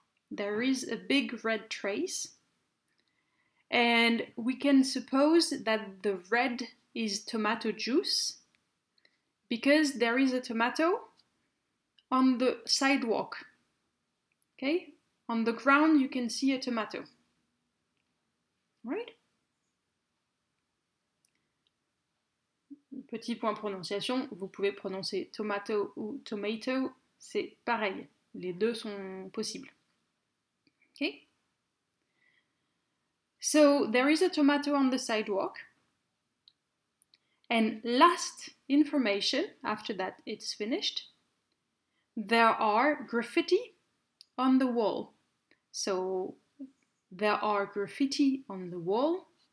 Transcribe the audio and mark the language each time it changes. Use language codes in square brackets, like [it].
[en] There is a big red trace. And we can suppose that the red is tomato juice because there is a tomato on the sidewalk. Okay, on the ground you can see a tomato, right? [fr] Petit point prononciation, vous pouvez prononcer tomato ou tomato, c'est pareil, les deux sont possibles. Okay? [en] So, there is a tomato on the sidewalk. And last information, after that it's finished, there are graffiti on the wall. So there are graffiti on the wall.